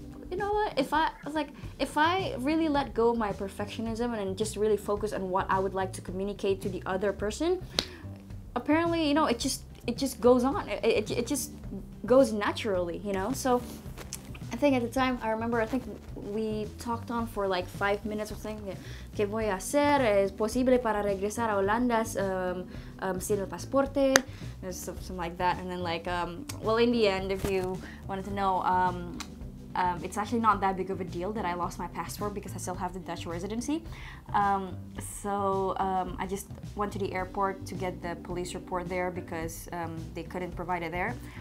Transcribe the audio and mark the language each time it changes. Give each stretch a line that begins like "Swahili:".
English: You know what, if I really let go of my perfectionism and just really focus on what I would like to communicate to the other person, apparently, you know, it just goes on, it just goes naturally, you know. So I think at the time, I remember, I think we talked on for like 5 minutes or something.
Spanish: ¿Qué voy a hacer? ¿Es posible para regresar a Holanda sin el pasaporte?
English: Something like that. And then like, well, in the end, if you wanted to know, it's actually not that big of a deal that I lost my passport because I still have the Dutch residency. So I just went to the airport to get the police report there because they couldn't provide it there.